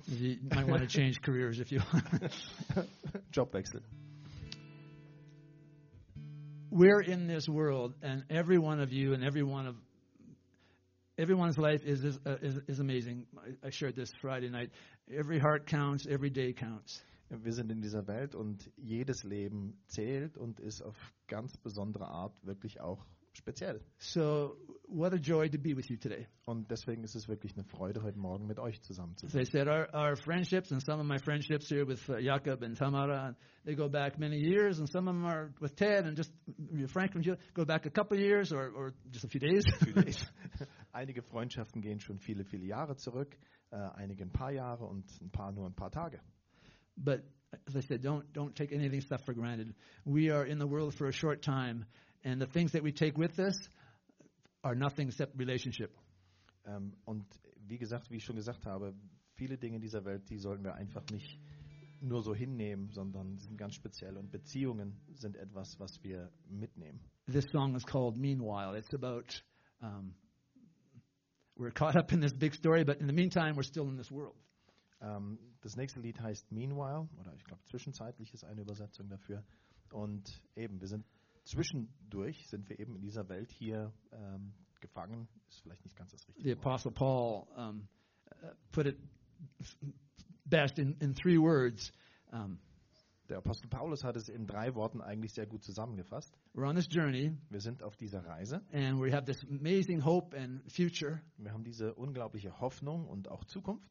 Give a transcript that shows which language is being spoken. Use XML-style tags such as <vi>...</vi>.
<en>You might want to change careers if you want.</en> <de>Jobwechsel.</de> <en>We're in this world, and every one of you and everyone's life is amazing. I shared this Friday night. Every heart counts. Every day counts.</en> <de>Wir sind in dieser Welt, und jedes Leben zählt und ist auf ganz besondere Art wirklich auch speziell.</de> <en>So, what a joy to be with you today.</en> <de>Und deswegen ist es wirklich eine Freude, heute Morgen mit euch zusammen zu sein.</de> <en>They said our friendships and some of my friendships here with Jakob and Tamara, they go back many years, and some of them are with Ted and just Frank and Jill go back a couple years or just a few days.</en> <de>Einige Freundschaften gehen schon viele, viele Jahre zurück, einige ein paar Jahre und ein paar nur ein paar Tage.</de> <en>But as I said, don't take any of these stuff for granted. We are in the world for a short time, and the things that we take with us are nothing except relationship.</en> <de>Und wie gesagt, wie ich schon gesagt habe, viele Dinge in dieser Welt, die sollten wir einfach nicht nur so hinnehmen, sondern sind ganz speziell. Und Beziehungen sind etwas, was wir mitnehmen.</de> <en>This song is called Meanwhile. It's about we're caught up in this big story, but in the meantime, we're still in this world.</en> <de>Das nächste Lied heißt Meanwhile, oder ich glaube zwischenzeitlich ist eine Übersetzung dafür. Und eben, wir sind zwischendurch, sind wir eben in dieser Welt hier gefangen. Ist vielleicht nicht ganz das Richtige.</de> <en>The Apostle Paul put it best in three words.</en> <de>Der Apostel Paulus hat es in drei Worten eigentlich sehr gut zusammengefasst.</de> <en>We're on this journey.</en> <de>Wir sind auf dieser Reise.</de> <en>And we have this amazing hope and future.</en> <de>Wir haben diese unglaubliche Hoffnung und auch Zukunft.</de>